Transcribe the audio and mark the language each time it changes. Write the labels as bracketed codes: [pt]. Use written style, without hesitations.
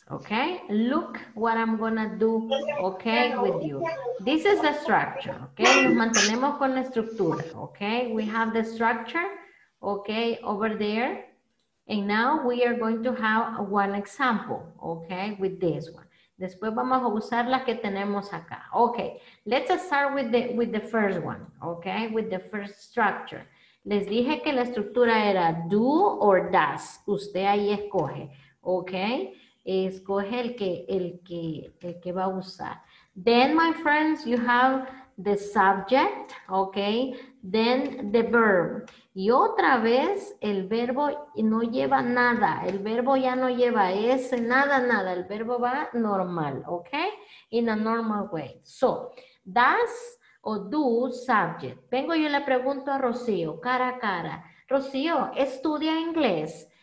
[en] Okay, look what I'm gonna do, okay, with you. This is the structure, okay? [es] Nos mantenemos con la estructura, [en] okay? We have the structure, okay, over there. And now we are going to have one example, okay, with this one. [es] Después vamos a usar la que tenemos acá. [en] Okay, let's start with the first one, okay? With the first structure. [es] Les dije que la estructura era do or does. Usted ahí escoge, okay? Escoge el que va a usar. [en] Then, my friends, you have the subject, okay? Then the verb. [es] Y otra vez, el verbo no lleva nada. El verbo ya no lleva ese, nada, nada. El verbo va normal, okay? [en] In a normal way. So, does o do subject. [es] Vengo yo y le pregunto a Rocío, cara a cara. Rocío, ¿estudia inglés?